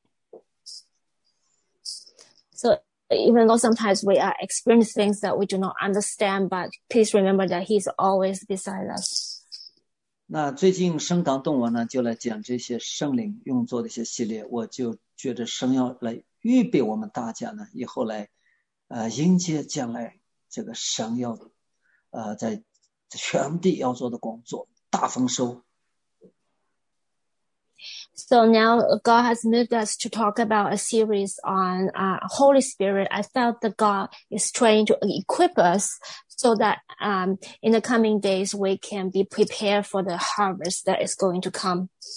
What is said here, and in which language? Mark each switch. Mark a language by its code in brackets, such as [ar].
[zh] 很多时候我们经历很多的事情，我们自己并不明白，但是呢，他陪伴着我们。 [en] So even though sometimes we are experiencing things that we do not understand, but please remember that He's always beside us. [zh] 那最近圣堂动我呢，就来讲这些圣灵运作的一些系列，我就觉得神要来。预备我们大家呢，以后来迎接将来这个神要在全地要做的工作，大丰收。 [en] So now God has moved us to talk about a series on Holy Spirit. I felt that God is trying to equip us so that in the coming days we can be prepared for the harvest that is going to come.